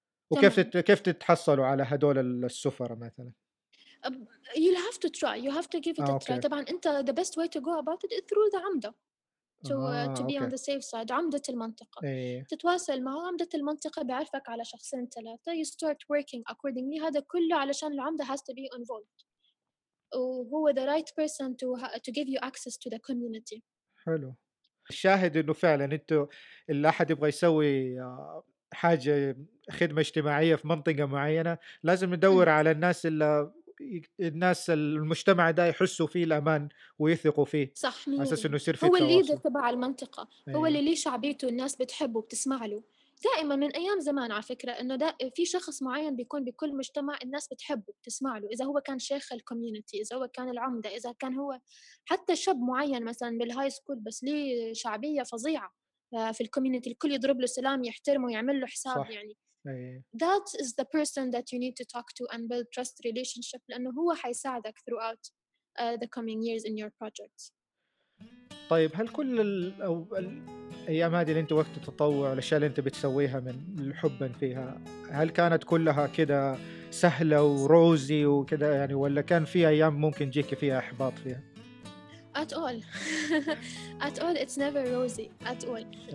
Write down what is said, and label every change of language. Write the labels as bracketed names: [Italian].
[Arabic] وكيف كيف تتحصلوا على هدول السفراء مثلاً؟ [English] You'll have to try. You have to give it a try. [Arabic] طبعاً أنت, [English] the best way to go about it is through the عمدة. To be on the safe side. [Arabic] عمدة المنطقة. أيه. تتواصل مع عمدة المنطقة, بيعرفك على شخصين ثلاثة. [English] You start working accordingly. [Arabic] هذا كله علشان العمدة [English] has to be involved. [Arabic] وهو [English] the right person to give you access to the community. [Arabic] حلو. الشاهد أنه فعلاً أنت اللي أحد يبغى يسوي حاجة خدمة اجتماعية في منطقة معينة, لازم ندور على الناس اللي الناس المجتمع ده يحسوا فيه الأمان ويثقوا فيه. صح، على أساس إنه يصير فيه هو الليدر تبع المنطقة. أيوه. هو اللي ليه شعبيته الناس بتحبه وبتسمع له دائما من أيام زمان على فكرة، إنه ده في شخص معين بيكون بكل مجتمع الناس بتحبه بتسمع له، إذا هو كان شيخ الكوميونتي، إذا هو كان العمدة، إذا كان هو حتى شاب معين مثلا بالهاي سكول بس ليه شعبية فظيعة في الكوميونتي، الكل يضرب له سلام يحترمه ويعمل له حساب. صح. [English] يعني that is the person that you need to talk to and build trust relationship، [Arabic] لأنه هو حيساعدك [English] throughout the coming years in your project. [Arabic] طيب هل كل الأيام هذه اللي أنت وقت التطوع والأشياء اللي أنت بتسويها من الحب فيها، هل كانت كلها كده سهلة وروزي وكده يعني، ولا كان في أيام ممكن جيك فيها إحباط فيها؟ [English] at all at all it's never rosy at all.